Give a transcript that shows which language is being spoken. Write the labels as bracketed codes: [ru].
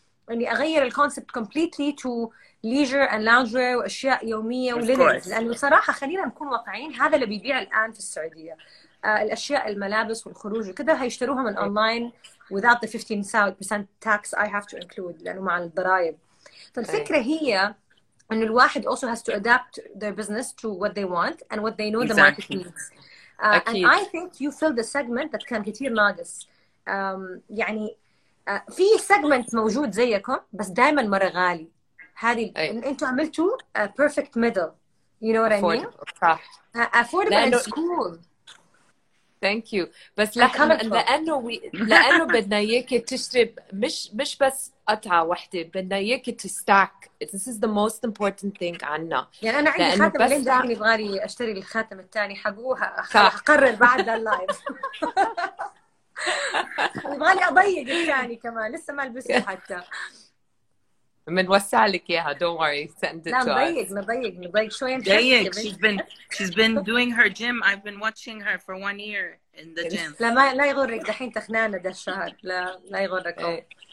[ar] أني أغير الكونسبت [en] completely to leisure and loungewear [ar] وأشياء يومية ولينينز, لأنه صراحة خلينا نكون واقعين هذا اللي بيبيع الآن في السعودية الأشياء الملابس والخروج وكذا هيشتروها من online [en] without the 15% tax I have to include [ar] لأنه مع الضرائب. فالفكرة هي أن الواحد [en] also has to adapt their business to what they want and what they know the market needs. And I think you filled the segment that [ar] كان كتير ناقص. يعني في سيجمنت موجود زيكم بس دائما مره غالي. هذه انتوا عملتوا [en] perfect middle, you know what Affordable. I mean? Affordable and school. Thank you. [ar] بس لأنه بدنا إياك تشرب مش بس قطعة واحدة, بدنا إياك [en] to stack. This is the most important thing [ar] عنا. يعني أنا عندي خاتم بلين دعم يبغالي أشتري الخاتم الثاني حقوها, أقرر بعد اللايف. يبغالي أضيق الثاني كمان, لسه ما لبسه حتى. منوسع لك اياها, [en] don't worry, send it to us. [ar] لا مضيق مضيق مضيق شوي. مضيق, [en] she's been doing her gym. I've been watching her for one year in the gym. [ar] لا ما لا يغرك دحين تخنانة ده الشهر, لا يغرك.